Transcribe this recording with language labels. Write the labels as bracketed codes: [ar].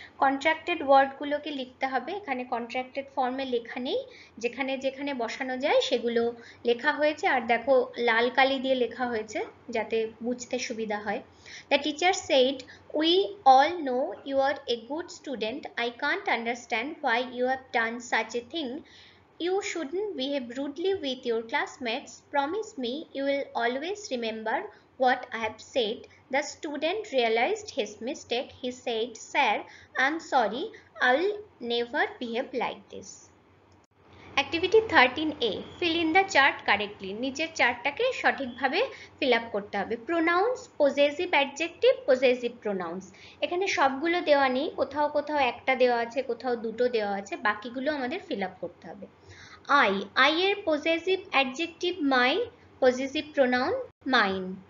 [bn] Contracted ওয়ার্ডগুলোকে লিখতে হবে, এখানে কন্ট্রাক্টেড ফর্মে লেখা নেই, যেখানে যেখানে বসানো যায় সেগুলো লেখা হয়েছে। আর দেখো লাল কালি দিয়ে লেখা হয়েছে যাতে বুঝতে সুবিধা হয়। [en] The teacher said we all know you are a good student, I can't understand why you have done such a thing. You shouldn't behave rudely with your classmates. Promise me you will always remember what I have said. The student realized his mistake. He said, Sir, I'm sorry. I'll never behave like this. Activity 13A, fill in the chart correctly. [bn] নিচের চার্টটাকে সঠিকভাবে fill up করতে হবে। Pronounce possessive adjective possessive pronounce, এখানে সবগুলো দেওয়া নেই, কোথাও কোথাও একটা দেওয়া আছে, কোথাও দুটো দেওয়া আছে, বাকিগুলো আমাদের ফিল আপ করতে হবে। [en] I, I এর possessive adjective my possessive pronoun mine.